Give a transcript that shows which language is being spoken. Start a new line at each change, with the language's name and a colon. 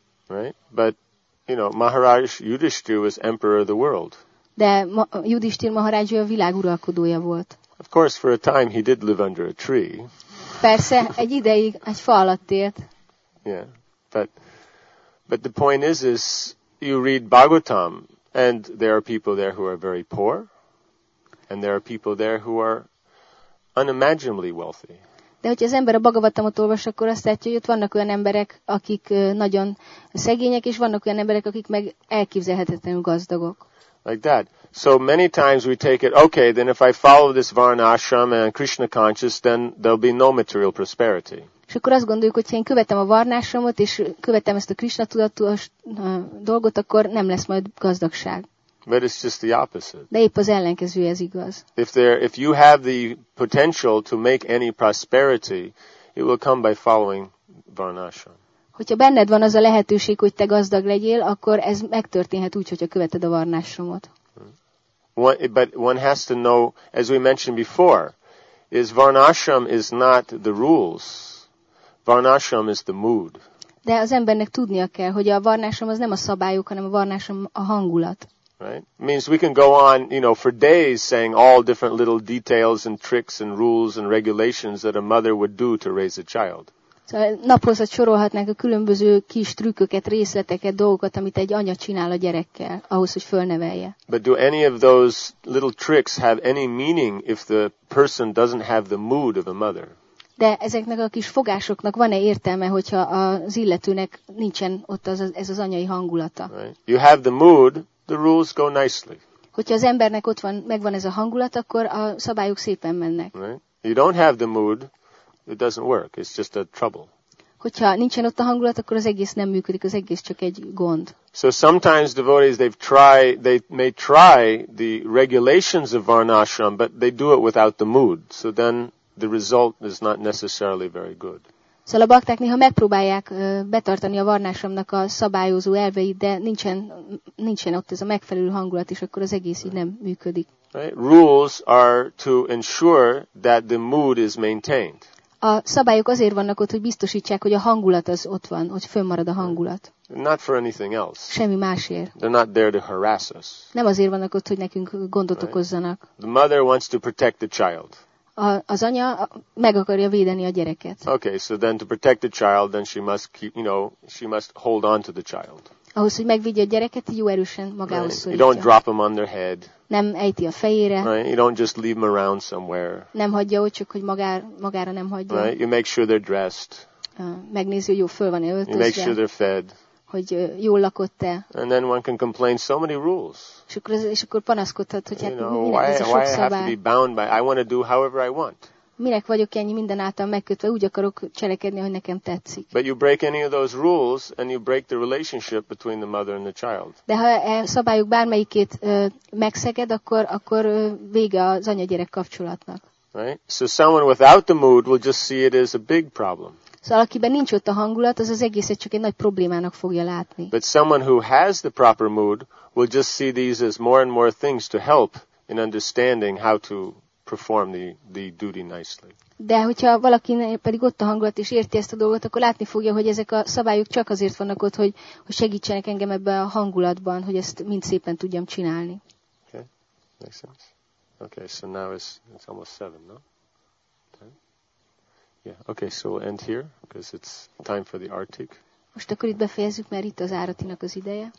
English: Right? But you know, Maharaj Yudhishthir was emperor of the world.
Hungarian: De Yudhishthir Maharaj a világ uralkodója volt.
English: Of course, for a time he did live under a tree.
Hungarian: Persze, egy ideig egy fa alatt élt.
English: Yeah, but the point is you read Bhagavatam, and there are people there who are very poor, and there are people there who are unimaginably wealthy.
Hungarian: De hogyha az ember a Bhagavatamot olvas, akkor azt látja, hogy ott vannak olyan emberek, akik nagyon szegények, és vannak olyan emberek, akik meg elképzelhetetlenül gazdagok.
English: Like that. So many times we take it, okay, then if I follow this Varnashram and Krishna conscious, then there'll be no material prosperity.
Hungarian: És akkor azt gondoljuk, hogy ha én követem a Varnashramot, és követem ezt a Krishna tudatos dolgot, akkor nem lesz majd gazdagság.
English: But it's just the opposite.
Hungarian: De épp az ellenkező, ez igaz.
English: If you have the potential to make any prosperity, it will come by following Varnashram.
Hungarian: Hogyha benned van az a lehetőség, hogy te gazdag legyél, akkor ez megtörténhet úgy, hogyha követed a Varnashramot.
English: But one has to know, as we mentioned before, is Varnashram is not the rules. Varnashram is the mood.
Hungarian: De az embernek tudnia kell, hogy a Varnashram az nem a szabályok, hanem a Varnashram a hangulat.
English: Right? Means we can go on, you know, for days saying all different little details and tricks and rules and regulations that a mother would do to raise a child.
Hungarian: Szóval naphozat sorolhatnánk a különböző kis trükköket, részleteket, dolgokat, amit egy anya csinál a gyerekkel, ahhoz, hogy fölnevelje.
English: But do any of those little tricks have any meaning if the person doesn't have the mood of a mother?
Hungarian: De ezeknek a kis fogásoknak van-e értelme, hogyha az illetőnek nincsen ott az, ez az anyai hangulata?
English: Right. You have the mood, the rules go nicely.
Hungarian: Hogyha az embernek ott van, megvan ez a hangulat, akkor a szabályok szépen mennek.
English: Right. You don't have the mood, it doesn't work. It's just a trouble.
Hungarian: Hogyha nincsen ott a hangulat, akkor az egész nem működik, az egész csak egy gond.
English: So sometimes devotees, they may try the regulations of Varnashram, but they do it without the mood. So then the result is not necessarily very good.
Hungarian: Szóval a bakták néha megpróbálják betartani a Varnashramnak a szabályozó elveit, de nincsen ott ez a megfelelő hangulat, és akkor az egész így nem működik.
English: Right. Rules are to ensure that the mood is maintained.
Hungarian: A szabályok azért vannak ott, hogy biztosítsák, hogy a hangulat az ott van, hogy fönnmarad a hangulat.
English: Not for anything else.
Hungarian: Semmi másért.
English: They're not there to harass us.
Hungarian: Nem azért vannak ott, hogy nekünk gondot okozzanak.
English: The mother wants to protect the child.
Hungarian: Az anya meg akarja védeni a gyereket.
English: Okay, so then to protect the child, then she must keep, you know, she must hold on to the child.
Hungarian: Ahhoz, hogy megvédje a gyereket, jó erősen magához szorítja.
English: You don't drop him on their head.
Hungarian: Nem ejti a fejére.
English: Right? You don't just leave him around somewhere.
Hungarian: Nem hagyja ott, csak hogy magára nem hagyja.
English: Right? You make sure they're dressed.
Hungarian: Megnézi, hogy jó föl van-e öltözve.
English: You make sure they're fed.
Hungarian: Hogy jól lakott-e.
English: And then one can complain so many rules.
Hungarian: És akkor panaszkodhat, hogy hát
English: why I have to be bound by? I want to do however I want.
Hungarian: Minek vagyok ennyi minden által megkötve, úgy akarok cselekedni, hogy nekem tetszik.
English: But you break any of those rules and you break the relationship between the mother and the child.
Hungarian: De ha a szabályok bármelyikét megszeged, akkor vége az anya-gyerek kapcsolatnak.
English: Right? So someone without the mood will just see it as a big problem.
Hungarian: Szóval akiben nincs ott a hangulat, az egészet csak egy nagy problémának fogja látni.
English: But someone who has the proper mood will just see these as more and more things to help in understanding how to perform the duty nicely.
Hungarian: De hogyha valaki pedig ott a hangulat és érti ezt a dolgot, akkor látni fogja, hogy ezek a szabályok csak azért vannak ott, hogy segítsenek engem ebben a hangulatban, hogy ezt mind szépen tudjam csinálni.
English: Okay, makes sense. Okay, so now it's almost 7, no? Yeah. Okay, so we'll end here because it's time for the Artik.
Hungarian: Most akkor itt befejezzük, mert itt az áratinak az ideje.